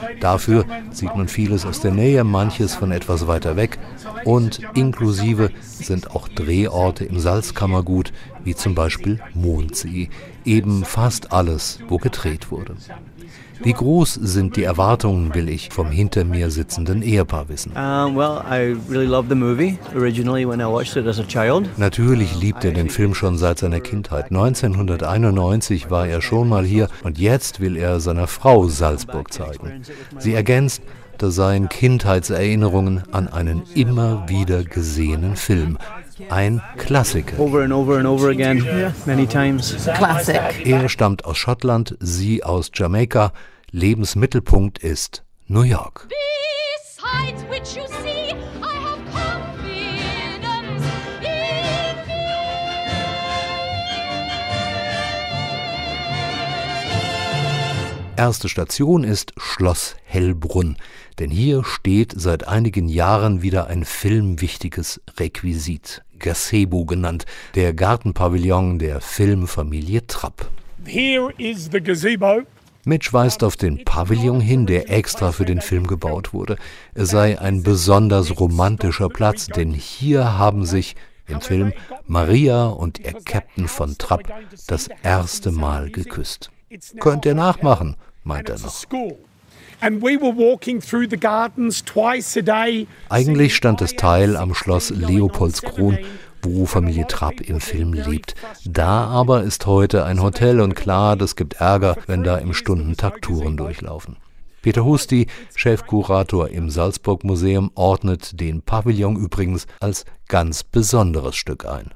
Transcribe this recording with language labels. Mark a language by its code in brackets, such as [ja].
[de] Dafür sieht man vieles aus der Nähe, manches von etwas weiter weg. Und inklusive sind auch Drehorte im Salzkammergut, wie zum Beispiel Mondsee. Eben fast alles, wo gedreht wurde. Wie groß sind die Erwartungen, will ich vom hinter mir sitzenden Ehepaar wissen. [en] I really loved the movie originally when I watched it as a child. [de] Natürlich liebt er den Film schon seit seiner Kindheit. 1991 war er schon mal hier und jetzt will er seiner Frau Salzburg zeigen. Sie ergänzt, da seien Kindheitserinnerungen an einen immer wieder gesehenen Film. Ein Klassiker. [en] Over and over and over again, many times. Classic. [de] Er stammt aus Schottland, sie aus Jamaika. Lebensmittelpunkt ist New York. [en] Besides which you see, I have confidence in me. [de] Erste Station ist Schloss Hellbrunn. Denn hier steht seit einigen Jahren wieder ein filmwichtiges Requisit. Gazebo genannt, der Gartenpavillon der Filmfamilie Trapp. [en] Here is the gazebo. [de] Mitch weist auf den Pavillon hin, der extra für den Film gebaut wurde. Es sei ein besonders romantischer Platz, denn hier haben sich im Film Maria und ihr Captain von Trapp das erste Mal geküsst. Könnt ihr nachmachen, meint er noch. [en] And we were walking through the gardens twice a day. [de] Eigentlich stand das Teil am Schloss Leopoldskron, wo Familie Trapp im Film lebt. Da aber ist heute ein Hotel und klar, das gibt Ärger, wenn da im Stundentakt Touren durchlaufen. Peter Husti, Chefkurator im Salzburg Museum, ordnet den Pavillon übrigens als ganz besonderes Stück ein.